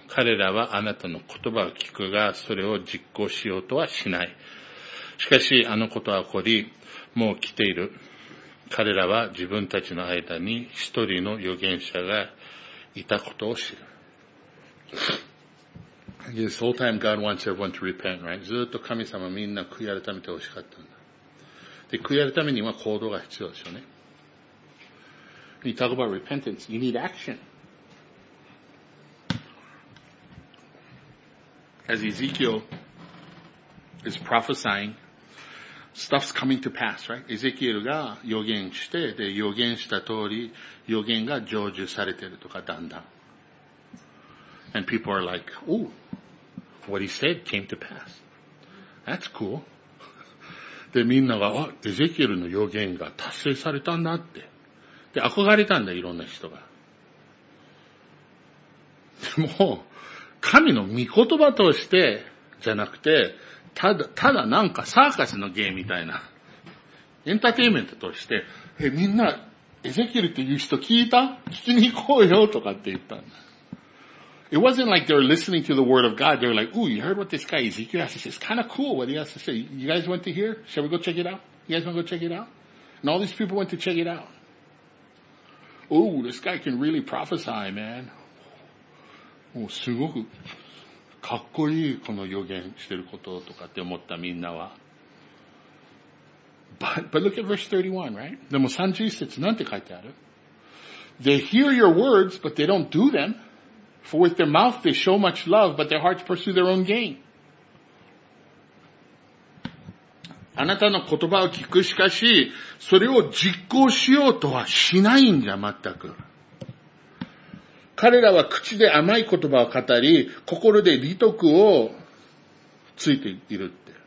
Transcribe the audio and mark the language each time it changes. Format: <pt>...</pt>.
<ja>彼らはあなたの言葉を聞くが、それを実行しようとはしない。しかしあのことは起こり、もう来ている。彼らは自分たちの間に一人の預言者がいたことを知る。</ja> <en>This whole time God wants everyone to repent, right?</en> <ja>ずっと神様みんな悔い改めてほしかったんだ。で、悔い改めには行動が必要でしょうね。</ja> <en>When you talk about repentance, you need action. As Ezekiel is prophesying,Stuff's coming to pass, right?</en> <ja>エゼキエルが予言して、で、予言した通り、予言が成就されてるとか、だんだん。</ja> <en>And people are like, ooh, what he said came to pass. That's cool.</en> <ja>で、みんなが、あ、エゼキエルの予言が達成されたんだって。で、憧れたんだ、いろんな人が。でも、神の御言葉として、じゃなくて、ただなんかサーカスの芸みたいな。エンターテインメントとして、え、みんな、エゼキエルっていう人聞いた? 聞きに行こうよとかって言ったんだ。</ja> <en>It wasn't like they were listening to the word of God. They were like, ooh, you heard what this guy Ezekiel has to say. It's kind of cool what he has to say. You guys want to hear? Shall we go check it out? You guys want to go check it out? And all these people went to check it out. Ooh, this guy can really prophesy, man.</en> <ja>もうすごく。かっこいい、この予言してることとかって思ったみんなは。</ja> <en>But look at verse 31, right?</en> <ja>でも31節なんて書いてある</ja> <en>?They hear your words, but they don't do them. For with their mouth they show much love, but their hearts pursue their own gain.</en> <ja>あなたの言葉を聞くしかし、それを実行しようとはしないんだ、全く。彼らは口で甘い言葉を語り、心で利得をついているって。</ja>